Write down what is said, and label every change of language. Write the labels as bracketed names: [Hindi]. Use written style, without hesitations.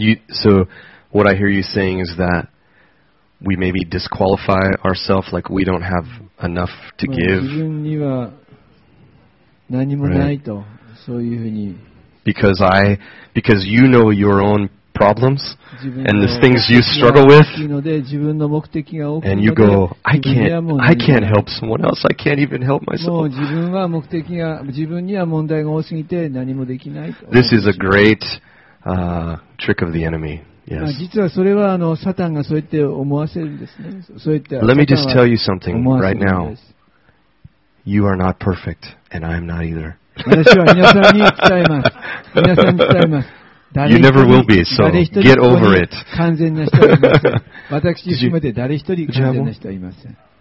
[English] So what I hear you saying is that we maybe disqualify ourselves, like we don't have enough to give. [Japanese] 自分には何もないと、そういうふうに。 [English] Because you know your own problems and the things you struggle with, and you go, I can't help someone else. I can't even help myself. [Japanese] 自分は目的が、自分には問題が多すぎて何もできないと。 [English] This is a great... trick of the enemy. Yes. [Japanese] 実はそれはあのサタンがそうやって思わせるんですね。そうやって。 [English] Let me just tell you something right now. You are not perfect, and I am not either. [Japanese] 私は皆さんに伝えます。皆さんに伝えます。 [English] You never will be. So get over it. [Japanese] 完全な人はいません。私含めて誰一人完全な人はいません。